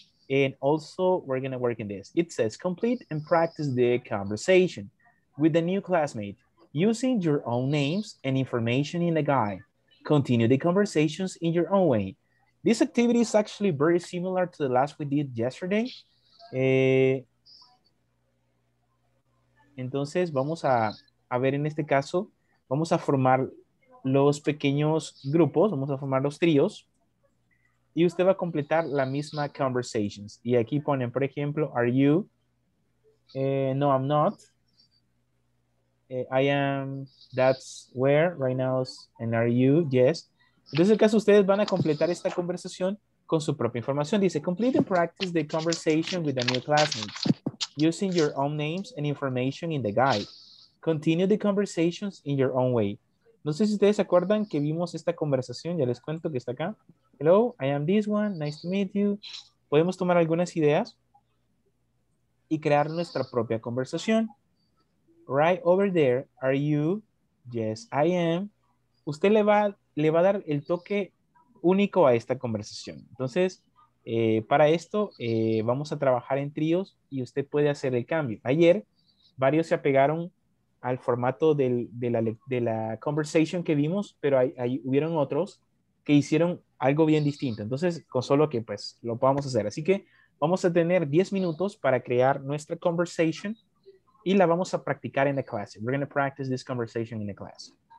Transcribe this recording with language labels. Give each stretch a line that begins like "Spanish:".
English: And also, we're going to work in this. It says, complete and practice the conversation with a new classmate using your own names and information in the guide. Continue the conversations in your own way. This activity is actually very similar to the last we did yesterday.
Spanish: Entonces, vamos a ver en este caso, vamos a formar los pequeños grupos, vamos a formar los tríos. Y usted va a completar la misma conversations. Y aquí ponen, por ejemplo,
English: are you? No, I'm not. I am, that's where, right now, and are you? Yes.
Spanish: Entonces, en el caso, ustedes van a completar esta conversación con su propia información. Dice,
English: complete and practice the conversation with a new classmate using your own names and information in the guide. Continue the conversations in your own way.
Spanish: No sé si ustedes se acuerdan que vimos esta conversación, ya les cuento que está acá.
English: Hello, I am this one, nice to meet you.
Spanish: Podemos tomar algunas ideas y crear nuestra propia conversación.
English: Right over there, are you? Yes, I am.
Spanish: Usted le va a dar el toque único a esta conversación. Entonces, para esto vamos a trabajar en tríos y usted puede hacer el cambio. Ayer, varios se apegaron al formato de la conversation que vimos, pero ahí hubieron otros que hicieron algo bien distinto. Entonces, con solo que pues lo podamos hacer. Así que vamos a tener 10 minutos para crear nuestra conversation y la vamos a practicar en la clase.
English: We're going to practice this conversation in the class.